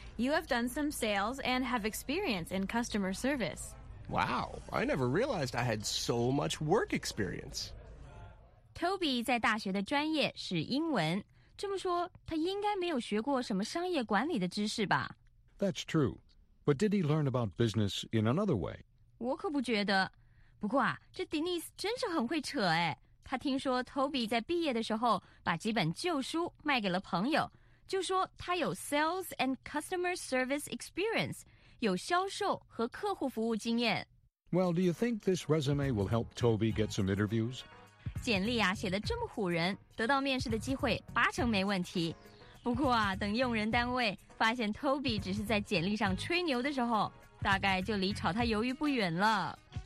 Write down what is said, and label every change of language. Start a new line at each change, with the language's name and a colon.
English: You have done some sales and have experience in customer service. Wow, I never realized I had so much work experience.
Chinese: Toby 在大学的专业是英文，这么说，他应该没有学过什么商业管理的知识吧
English: ？That's true, but did he learn about business in another way?
Chinese: 我可不觉得。不过啊，这 Denise 真是很会扯哎。他听说 Toby 在毕业的时候把几本旧书卖给了朋友，就说他有
English: sales and customer service experience,
Chinese: 有销售和客户服务经验。
English: Well, do you think this resume will help Toby get some interviews?
Chinese: 简历啊写得这么唬人，得到面试的机会八成没问题。不过啊，等用人单位发现 Toby 只是在简历上吹牛的时候，大概就离炒他鱿鱼不远了。